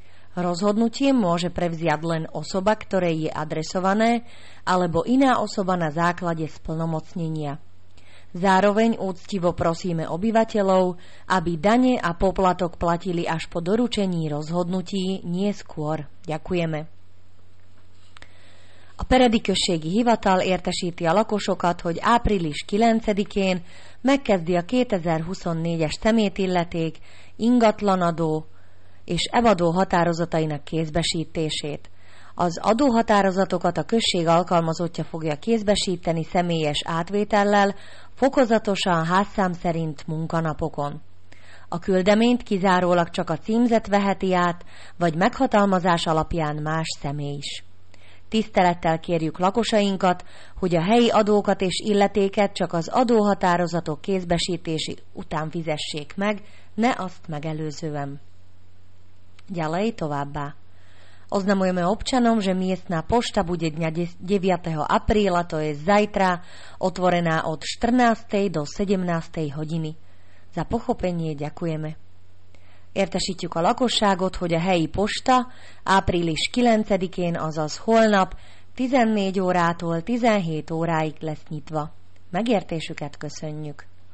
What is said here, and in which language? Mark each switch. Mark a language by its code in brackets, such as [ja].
[sk] Rozhodnutie môže prevziať len osoba, ktorej je adresované, alebo iná osoba na základe splnomocnenia. Zároveň úctivo prosíme obyvateľov, aby dane a poplatok platili až po doručení rozhodnutí, nie skôr. Ďakujeme. [hu] A peredikösségi hivatal értesíti a lakosokat, hogy április 9-én megkezdi a 2024-es szemétilleték, ingatlanadó és evadó határozatainak kézbesítését. Az adóhatározatokat a község alkalmazottja fogja kézbesíteni személyes átvétellel, fokozatosan házszám szerint munkanapokon. A küldeményt kizárólag csak a címzet veheti át, vagy meghatalmazás alapján más személy is. Tisztelettel kérjük lakosainkat, hogy a helyi adókat és illetéket csak az adóhatározatok kézbesítési után fizessék meg, ne azt megelőzően. [sk] Ďalej [hu] továbbá. [sk] Oznamujeme občanom, že miestna pošta bude dňa 9. apríla, to je zajtra, otvorená od 14. do 17. hodiny. Za pochopenie ďakujeme. [hu] Értesítjük a lakosságot, hogy a helyi posta április 9-én, azaz holnap 14 órától 17 óráig lesz nyitva. Megértésüket köszönjük.